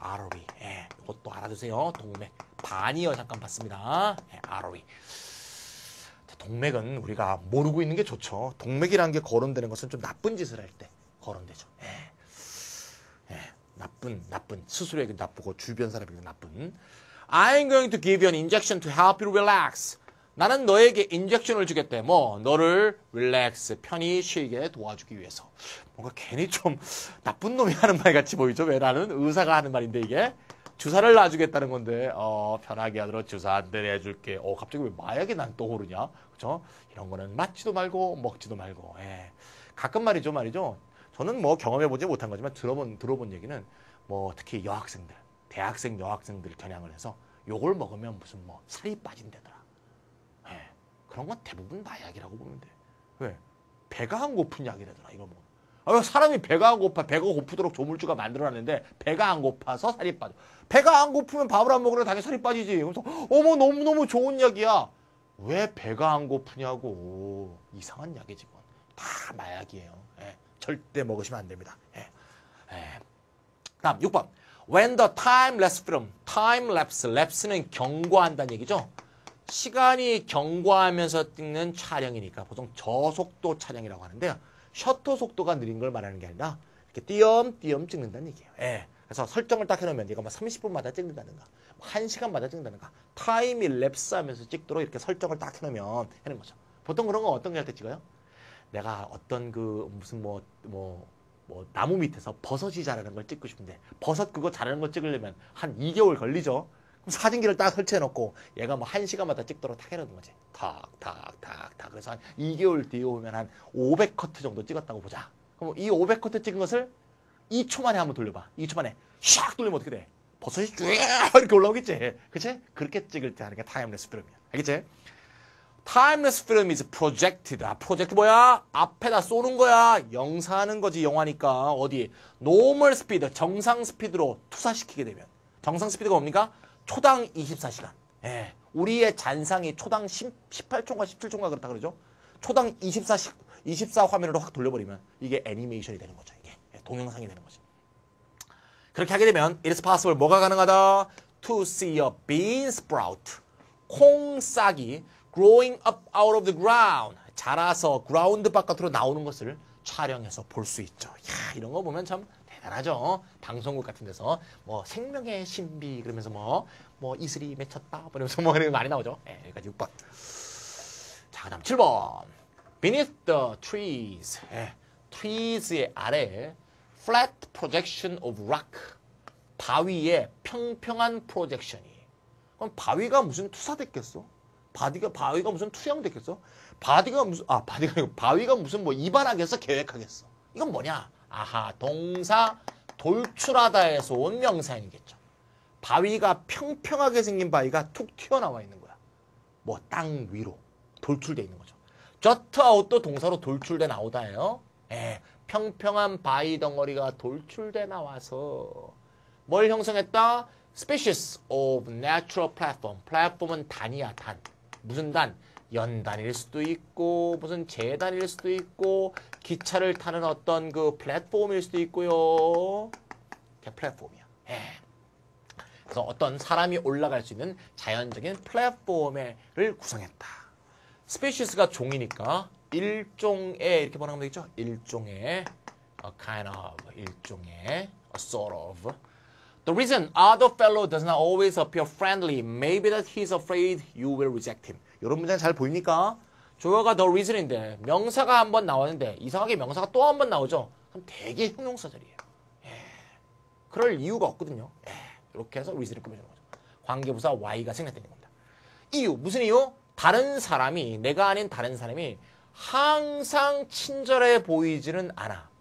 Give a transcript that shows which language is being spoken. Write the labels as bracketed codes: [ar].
[ko] artery. 예, 이것도 알아두세요. 동맥. 반이요. 잠깐 봤습니다. 예, artery. 동맥은 우리가 모르고 있는 게 좋죠. 동맥이라는 게 거론되는 것은 좀 나쁜 짓을 할 때 거론되죠. 예. 예, 나쁜. 스스로에게 나쁘고 주변 사람에게 나쁜. [en] I'm going to give you an injection to help you relax. [ko] 나는 너에게 인젝션을 주겠대. 뭐 너를 릴렉스, 편히 쉬게 도와주기 위해서. 뭔가 괜히 좀 나쁜 놈이 하는 말 같이 보이죠? 왜 나는? 의사가 하는 말인데 이게. 주사를 놔주겠다는 건데 편하게 하도록 주사 한 대 내줄게. 갑자기 왜 마약이 난 떠오르냐? 그렇죠? 이런 거는 맞지도 말고 먹지도 말고. 예. 가끔 말이죠. 저는 뭐 경험해보지 못한 거지만 들어본 얘기는 뭐 특히 여학생들, 대학생 여학생들을 겨냥을 해서 욕을 먹으면 무슨 뭐 살이 빠진대더라. 그런 건 대부분 마약이라고 보면 돼. 왜? 배가 안 고픈 약이라더라, 이거 뭐. 아, 왜 사람이 배가 안 고파? 배가 고프도록 조물주가 만들어놨는데, 배가 안 고파서 살이 빠져. 배가 안 고프면 밥을 안 먹으면 당연히 살이 빠지지. 그래서, 어머, 너무너무 좋은 약이야. 왜 배가 안 고프냐고. 이상한 약이지, 뭐. 다 마약이에요. 예. 절대 먹으시면 안 됩니다. 예. 예. 다음, 6번. [en] When the time lapse film, time lapse, lapse는 [ko] 경과한다는 얘기죠. 시간이 경과하면서 찍는 촬영이니까 보통 저속도 촬영이라고 하는데요. 셔터 속도가 느린 걸 말하는 게 아니라 이렇게 띄엄띄엄 찍는다는 얘기예요. 예. 그래서 설정을 딱 해놓으면 이거 막 30분마다 찍는다든가 1시간마다 찍는다든가 타임이 랩스하면서 찍도록 이렇게 설정을 딱 해놓으면 하는 거죠. 보통 그런 건 어떤 게 할 때 찍어요? 내가 어떤 그 무슨 뭐 나무 밑에서 버섯이 자라는 걸 찍고 싶은데 버섯 그거 자라는 거 찍으려면 한 2개월 걸리죠. 사진기를 딱 설치해놓고 얘가 뭐 한 시간마다 찍도록 탁 해놓은 거지. 탁, 탁, 탁, 탁. 그래서 한 2개월 뒤에 오면 한 500커트 정도 찍었다고 보자. 그럼 이 500커트 찍은 것을 2초 만에 한번 돌려봐. 2초 만에 샥 돌리면 어떻게 돼? 버섯이 쫙 이렇게 올라오겠지. 그치? 그렇게 찍을 때 하는 게 타임레스 필름이야. 알겠지? [en] Timeless film is projected. [ko] 아, project 뭐야? 앞에다 쏘는 거야. 영사하는 거지, 영화니까. 어디? [en] Normal speed, [ko] 정상 스피드로 투사시키게 되면. 정상 스피드가 뭡니까? 초당 24시간. 예. 우리의 잔상이 초당 18초인가 17초인가 그렇다 그러죠? 초당 24 화면으로 확 돌려버리면 이게 애니메이션이 되는 거죠. 이게. 예, 동영상이 되는 거죠. 그렇게 하게 되면 [en] it is possible. [ko] 뭐가 가능하다? [en] to see a bean sprout. [ko] 콩싹이 [en] growing up out of the ground. [ko] 자라서 ground 바깥으로 나오는 것을 촬영해서 볼 수 있죠. 야, 이런 거 보면 참 대단하죠. 방송국 같은 데서 뭐 생명의 신비 그러면서 뭐 이슬이 맺혔다 그러면서 뭐 이런 게 많이 나오죠. 네, 여기까지 6번. 자, 그 다음 7번. [en] Beneath the trees. 네, trees의 아래 flat projection of rock. [ko] 바위의 평평한 프로젝션이. 그럼 바위가 무슨 투사됐겠어? 바위가 무슨 투영됐겠어? 바위가 무슨 뭐 이발하겠어? 계획하겠어? 이건 뭐냐? 아하, 동사 돌출하다에서 온 명사형이겠죠. 바위가 평평하게 생긴 바위가 툭 튀어나와 있는 거야. 뭐 땅 위로 돌출돼 있는 거죠. 저트아웃도 동사로 돌출돼 나오다예요. 예, 평평한 바위 덩어리가 돌출돼 나와서 뭘 형성했다? [en] Species of natural platform. [ko] 플랫폼은 단이야, 단. 무슨 단? 연단일 수도 있고 무슨 재단일 수도 있고 기차를 타는 어떤 그 플랫폼일 수도 있고요. 플랫폼이야. 예. 그래서 어떤 사람이 올라갈 수 있는 자연적인 플랫폼을 구성했다. Species가 종이니까 일종의 이렇게 번역하면 되겠죠? 일종의 [en] a kind of 일종의 a sort of. The reason other fellow does not always appear friendly, maybe that he's afraid you will reject him. [ko] 이런 문장 잘 보입니까? 조어가 the reason인데 명사가 한번 나왔는데 이상하게 명사가 또 한번 나오죠. 그럼 되게 형용사절이에요. 예, 그럴 이유가 없거든요. 예, 이렇게 해서 reason을 꾸며주는 거죠. 관계부사 why가 생략되는 겁니다. 이유, 무슨 이유? 다른 사람이, 내가 아닌 다른 사람이 항상 친절해 보이지는 않아.